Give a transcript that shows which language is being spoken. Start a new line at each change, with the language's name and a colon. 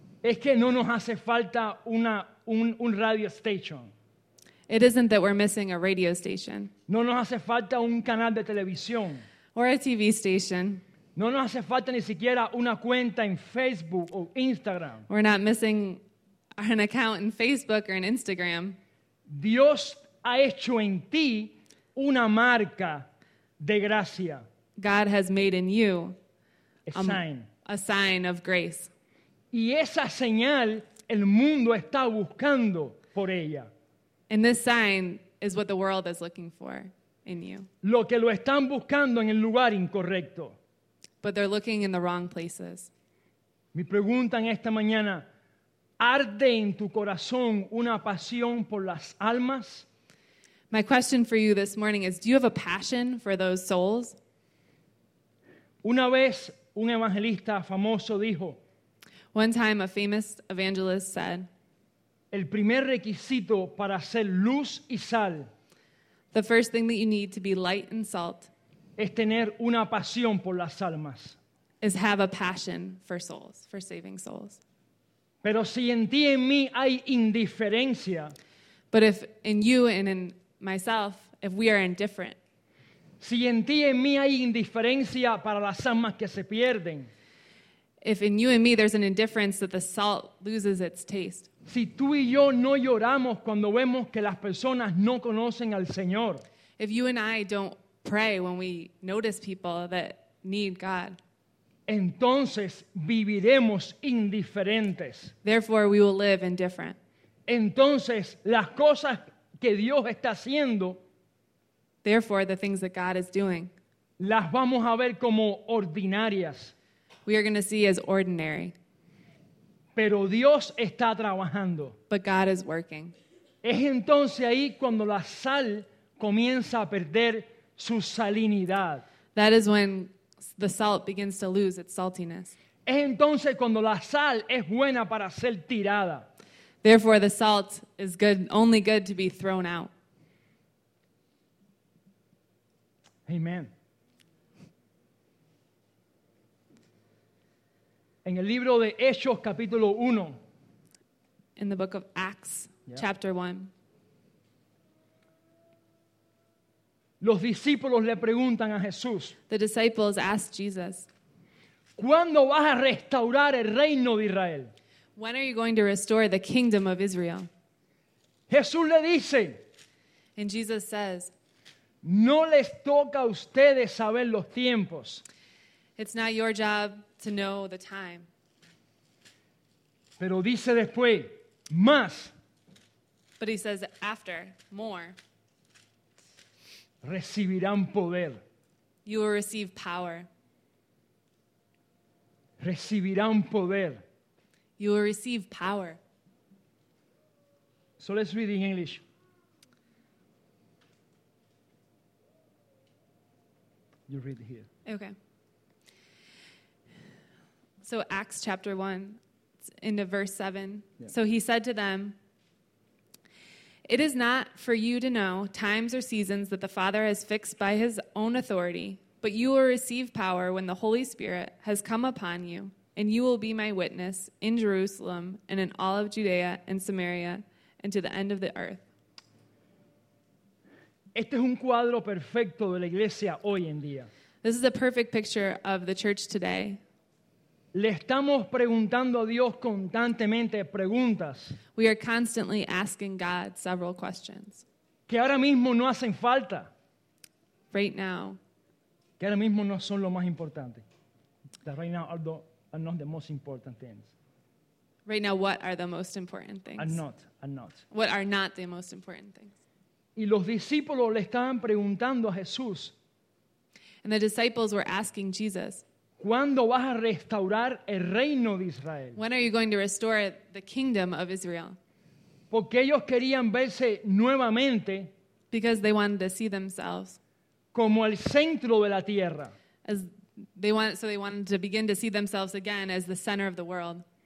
Spanish: es que no nos hace falta un
English: radio station. It isn't that we're missing a radio station.
Spanish: No nos hace falta un canal de televisión.
English: Or a TV station.
Spanish: No nos hace falta ni siquiera una cuenta en Facebook o Instagram.
English: We're not missing an account in Facebook or in Instagram.
Spanish: Dios ha hecho en ti una marca de gracia.
English: God has made in you a sign of grace.
Spanish: Y esa señal el mundo está buscando por ella.
English: And this sign is what the world is looking for in you.
Spanish: Lo que lo están buscando en el lugar incorrecto.
English: But they're looking in the wrong places.
Spanish: Mi pregunta en esta mañana, ¿arde en tu corazón una pasión por las almas?
English: My question for you this morning is, do you have a passion for those souls?
Spanish: Una vez un evangelista famoso dijo,
English: one time a famous evangelist said,
Spanish: el primer requisito para ser luz y sal,
English: the first thing that you need to be light and salt,
Spanish: es tener una pasión por las almas.
English: Is have a passion for souls, for saving souls.
Spanish: Pero si en ti en mí hay indiferencia,
English: but if in you and in myself, if we are indifferent,
Spanish: si en ti en mí hay indiferencia para las almas que se pierden,
English: if in you and me there's an indifference that the salt loses its taste,
Spanish: si tú y yo no lloramos cuando vemos que las personas no conocen al Señor,
English: if you and I don't pray when we notice people that need God,
Spanish: entonces viviremos indiferentes.
English: Therefore, we will live indifferent.
Spanish: Entonces, las cosas que Dios está haciendo,
English: therefore, the things that God is doing,
Spanish: las vamos a ver como ordinarias.
English: We are going to see as ordinary.
Spanish: Pero Dios está trabajando.
English: But God is working.
Spanish: Es entonces ahí cuando la sal comienza a perder su salinidad.
English: That is when the salt begins to lose its saltiness.
Spanish: Es entonces cuando la sal es buena para ser tirada.
English: Therefore, the salt is good, only good to be thrown out. Amen.
Spanish: En el libro de Hechos, capítulo 1.
English: In the book of Acts, chapter 1.
Spanish: Los discípulos le preguntan a Jesús.
English: The disciples asked Jesus.
Spanish: ¿Cuándo vas a restaurar el reino de Israel?
English: When are you going to restore the kingdom of Israel?
Spanish: Jesús le dice.
English: And Jesus says.
Spanish: No les toca a ustedes saber los tiempos.
English: It's not your job to know the time.
Spanish: Pero dice después, más.
English: But he says after, more.
Spanish: Recibirán poder.
English: You will receive power.
Spanish: Recibirán poder.
English: You will receive power. So let's read in English. You read it here. Okay. So Acts chapter 1, into verse 7. Yeah. So he said to them, "It is not for you to know times or seasons that the Father has fixed by his own authority, but you will receive power when the Holy Spirit has come upon you, and you will be my witness in Jerusalem and in all of Judea and Samaria and to the end of the earth."
Spanish: Este es un cuadro perfecto de la iglesia hoy en día.
English: This is a perfect picture of the church today.
Spanish: Le estamos preguntando a Dios constantemente preguntas.
English: We are constantly asking God several questions.
Spanish: Que ahora mismo no hacen falta.
English: Right now.
Spanish: Que ahora mismo no son lo más importante.
English: That right now are not the most important things. Right now, what are the most important things? Are not. What are not the most important things?
Spanish: Y los discípulos le estaban preguntando a Jesús.
English: And the disciples were asking Jesus.
Spanish: ¿Cuándo vas a restaurar el reino de Israel?
English: When are you going to restore the kingdom of Israel?
Spanish: Porque ellos querían verse nuevamente.
English: Because they wanted to see themselves.
Spanish: Como el centro de la tierra.
English: So they wanted to begin to see themselves again as the center of the world.